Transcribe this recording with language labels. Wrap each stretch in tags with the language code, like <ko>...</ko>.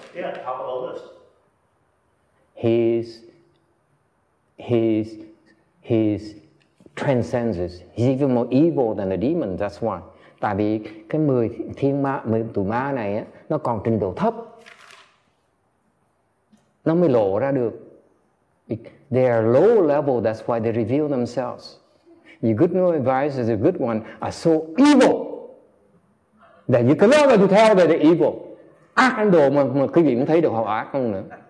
<en>Yeah, top of the list. His transcendence. He's even more evil than the demons. That's why.</en> <vi>Tại vì cái 10 thiên ma, 10 tù ma này á, nó còn trình độ thấp. Nó mới lộ ra được.</vi> <en>They are low level, that's why they reveal themselves. Your good new advice is a good one, are so evil that you cannot even tell that they're evil.</en> <vi>Ác ấn độ mà quý vị cũng thấy được họ ác không nữa.</vi>